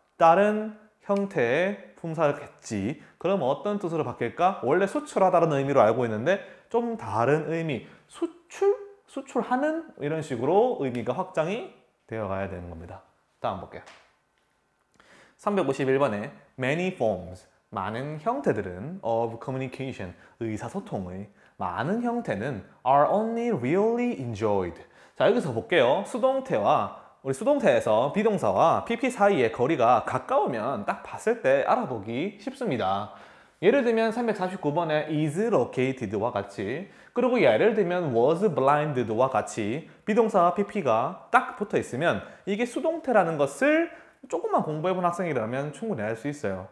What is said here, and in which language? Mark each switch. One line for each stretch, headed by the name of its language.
Korean: 다른 형태의 품사겠지. 그럼 어떤 뜻으로 바뀔까? 원래 수출하다는 의미로 알고 있는데 좀 다른 의미, 수출? 수출하는? 이런 식으로 의미가 확장이 되어 가야 되는 겁니다. 다음 볼게요. 351번에
English: many forms,
Korean: 많은 형태들은
English: of communication,
Korean: 의사소통의 많은 형태는
English: are only really enjoyed.
Korean: 자, 여기서 볼게요. 수동태와 우리 수동태에서 비동사와 PP 사이의 거리가 가까우면 딱 봤을 때 알아보기 쉽습니다. 예를 들면 349번에 is located와 같이, 그리고 예를 들면 was blinded와 같이 비동사와 PP가 딱 붙어 있으면 이게 수동태라는 것을 조금만 공부해본 학생이라면 충분히 알 수 있어요.